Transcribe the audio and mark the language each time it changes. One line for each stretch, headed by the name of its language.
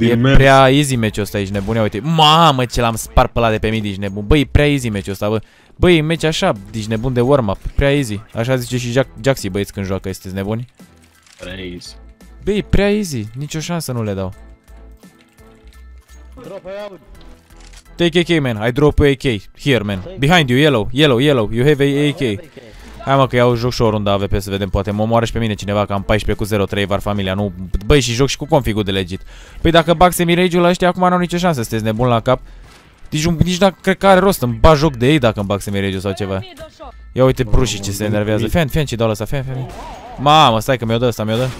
Romanian: e prea easy match-ul ăsta, ești nebun, ia uite, mamă, ce l-am spart pe ăla de pe mid, ești nebun, băi, e prea easy match-ul ăsta, bă. Băi, e match așa, ești nebun de warm-up, prea easy, așa zice și Jaxi, băieți, când joacă, sunteți nebuni? Prea easy. Băi, e prea easy, nicio șansă nu le dau.
English: Take AK, man, I drop AK, here, man, behind you, yellow, yellow, yellow, you have AK.
Romanian: Hai mă că iau, joc și o rundă AWP să vedem, poate mă omoară și pe mine cineva, că am 14-0-3 var familia, nu, băi, și joc și cu configul de legit. Păi dacă bag semi-rage-ul ăștia, acum n-au nicio șansă, sunteți nebun la cap. Nici dacă cred că are rost, îmi bag joc de ei dacă îmi bag semi-rage-ul sau ceva. Ia uite brușii ce se enervează, fan, fan ce-i dau ăsta, fan, fan. Mamă, stai că mi-o dă ăsta, mi-o dă.